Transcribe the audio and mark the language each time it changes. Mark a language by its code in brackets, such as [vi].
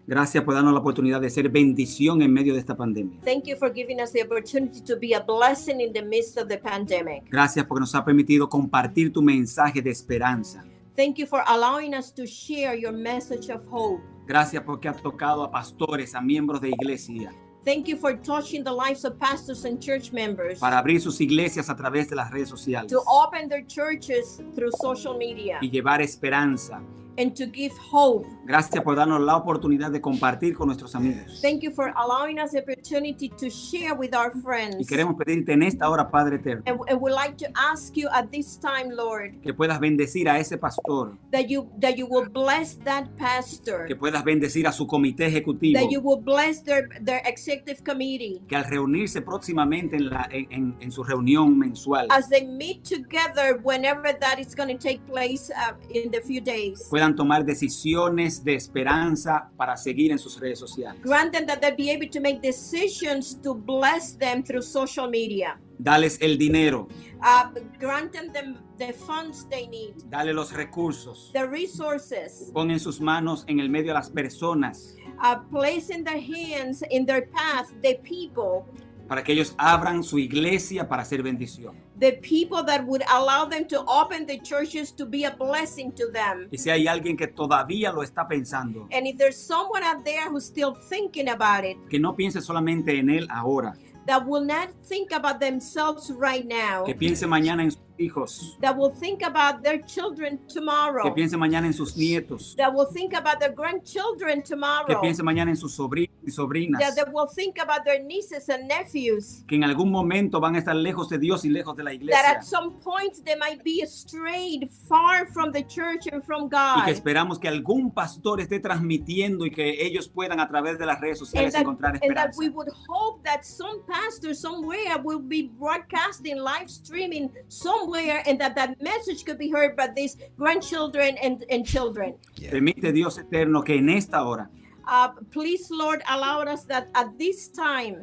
[es] gracias por darnos la oportunidad de ser bendición en medio de esta pandemia. [en] Thank you for giving us the opportunity to be a blessing in the midst of the pandemic. [es] Gracias porque nos ha permitido compartir tu mensaje de esperanza. [en] Thank you for allowing us to share your message of hope. [es] Gracias porque ha tocado a pastores, a miembros de iglesia. [en] Thank you for touching the lives of pastors and church members. [es] Para abrir sus iglesias a través de las redes sociales. [en] To open their churches through social media. [es] Y llevar esperanza. [en] and to give hope. [es] Gracias por darnos la oportunidad de compartir con nuestros amigos. [en] Thank you for allowing us the opportunity to share with our friends. [es] Y queremos pedirte en esta hora, Padre eterno. [en] And we'd like to ask you at this time, Lord. [es] Que puedas bendecir a ese pastor. [en] That you will bless that pastor. [es] Que puedas bendecir a su comité ejecutivo. [en] That you will bless their executive committee. [es] Que al reunirse próximamente en su reunión mensual. [en] As they meet together whenever that is going to take place in the few days. [es] Puedan tomar decisiones de esperanza para seguir en sus redes sociales. [en] Grant them that they'll be able to make decisions to bless them through social media. [es] Dales el dinero. [en] Grant them the funds they need. [es] Dale los recursos. [en] The resources. [es] Pon en sus manos en el medio a las personas. [en] Place in their hands, in their path, the people. [es] Para que ellos abran su iglesia para ser bendición. [en] The people that would allow them to open the churches to be a blessing to them. [es] Y si hay alguien que todavía lo está pensando. [en] And if there's someone out there who's still thinking about it. [es] Que no piense solamente en él ahora. [en] That will not think about themselves right now. [es] Que piense mañana en sus hijos. [en] That will think about their children tomorrow. [es] Que piense mañana en sus nietos. [en] That will think about their grandchildren tomorrow. [es] Que piense mañana en sus sobrinos y sobrinas. [en] That they will think about their nieces and nephews. [es] Que en algún momento van a estar lejos de Dios y lejos de la iglesia. [en] That at some point they might be strayed far from the church and from God. [es] Y que esperamos que algún pastor esté transmitiendo y que ellos puedan a través de las redes sociales [en] and that, [es] encontrar esperanza. [en] And that we would hope that some pastor somewhere will be broadcasting, live streaming somewhere, and that message could be heard by these grandchildren and children. [es] Yeah. Permite Dios eterno que en esta hora. [en] Please, Lord, allow us that at this time.